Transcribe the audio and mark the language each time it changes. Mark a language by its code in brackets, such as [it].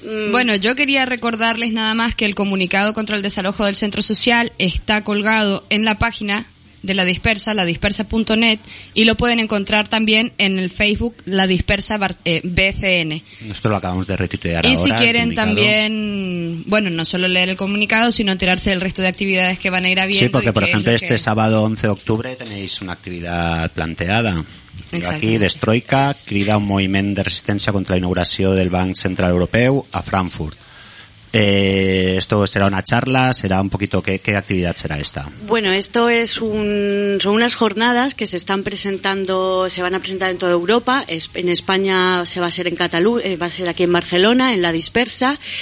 [es] Bueno, yo quería recordarles nada más que el comunicado contra el desalojo del centro social está colgado en la página de La Dispersa, ladispersa.net, y lo pueden encontrar también en el Facebook La Dispersa BCN. Nosotros lo acabamos de retuitear y ahora. Y si quieren también, bueno, no solo leer el comunicado, sino enterarse del resto de actividades que van a ir habiendo. Sí, porque por ejemplo este sábado 11 de octubre tenéis una actividad planteada. Exacto. [ca] Aquí, Destroika crida un moviment de resistència contra la inauguració del Banc Central Europeu a Frankfurt. [es] Esto será una charla, será un poquito, ¿qué actividad será esta? Bueno, esto es son unas jornadas que se están presentando, se van a presentar en toda Europa. En España se va a ser en Cataluña, va a ser aquí en Barcelona, en La Dispersa.